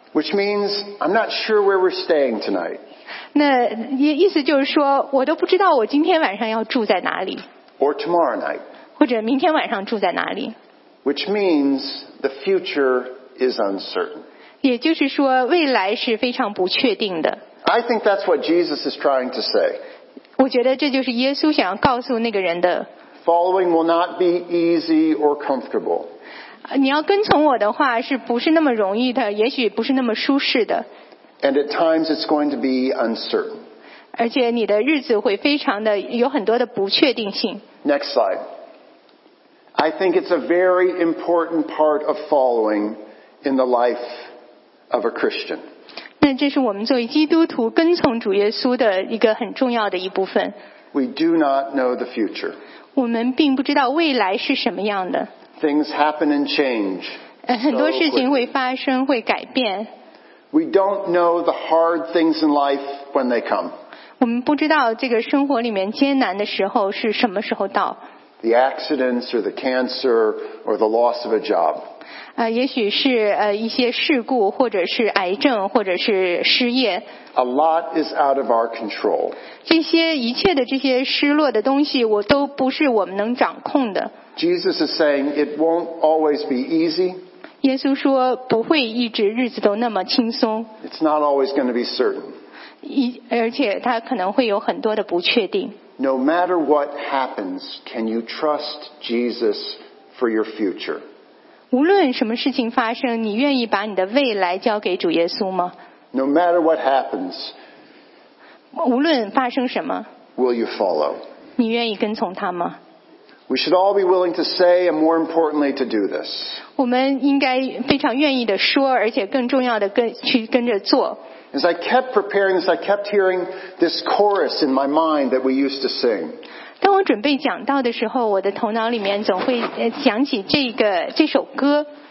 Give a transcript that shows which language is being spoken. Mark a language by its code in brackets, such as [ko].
[en] Which means I'm not sure where we're staying tonight. [zh] 那意思就是说，我都不知道我今天晚上要住在哪里。 [en] Or tomorrow night. [zh] 或者明天晚上住在哪里。 [en] Which means the future is uncertain. [zh] 也就是说，未来是非常不确定的。 [en] I think that's what Jesus is trying to say. [zh] 我觉得这就是耶稣想要告诉那个人的。 [en] Following will not be easy or comfortable. [zh] 你要跟从我的话是不是那么容易的，也许不是那么舒适的。 [en] And at times it's going to be uncertain. [zh] 而且你的日子会非常的有很多的不确定性。 [en] Next slide. I think it's a very important part of following in the life of a Christian. [zh] 那这是我们作为基督徒跟从主耶稣的一个很重要的一部分。 [en] We do not know the future. [zh] 我们并不知道未来是什么样的。 [en] Things happen and change. [zh] 很多事情会发生，会改变。 [en] We don't know the hard things in life when they come. [zh] 我们不知道这个生活里面艰难的时候是什么时候到。 [en] The accidents or the cancer or the loss of a job. [zh] 也许是一些事故，或者是癌症，或者是失业。 [en] A lot is out of our control. [zh] 这些一切的这些失落的东西，我都不是我们能掌控的。 [en] Jesus is saying it won't always be easy. [zh] 耶稣说不会一直日子都那么轻松。 [en] It's not always going to be certain. [zh] 而且它可能会有很多的不确定。 [en] No matter what happens, can you trust Jesus for your future? [zh] 无论什么事情发生，你愿意把你的未来交给主耶稣吗 [en] ？No matter what happens， [zh] 无论发生什么 [en] ，Will you follow？ [zh] 你愿意跟从他吗 [en] ？We should all be willing to say, and more importantly, to do this。 [zh] 我们应该非常愿意的说，而且更重要的跟着做。 [en] As I kept preparing this, I kept hearing this chorus in my mind that we used to sing. [zh] 当我准备讲到的时候，我的头脑里面总会想起这首歌。